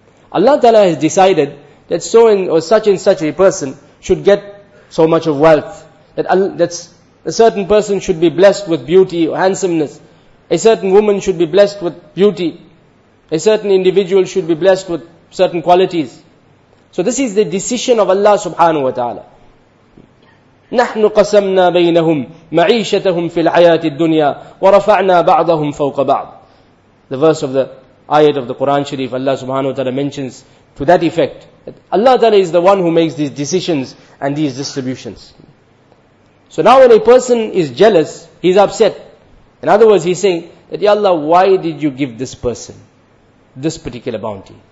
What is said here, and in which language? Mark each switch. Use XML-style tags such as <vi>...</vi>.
<en>Allah ta'ala has decided that so in, or such and such a person should get so much of wealth, that a certain person should be blessed with beauty or handsomeness, a certain woman should be blessed with beauty, a certain individual should be blessed with certain qualities. So this is the decision of Allah subhanahu wa ta'ala.</en> <ar>نحن قسمنا بينهم معيشتهم في الحياة الدنيا ورفعنا بعضهم فوق بعض.</ar> <en>The verse of the ayat of the Quran Sharif, Allah subhanahu wa ta'ala mentions to that effect. Allah ta'ala is the one who makes these decisions and these distributions. So now when a person is jealous, he's upset. In other words, he's saying that, Ya Allah, why did you give this person this particular bounty?</en>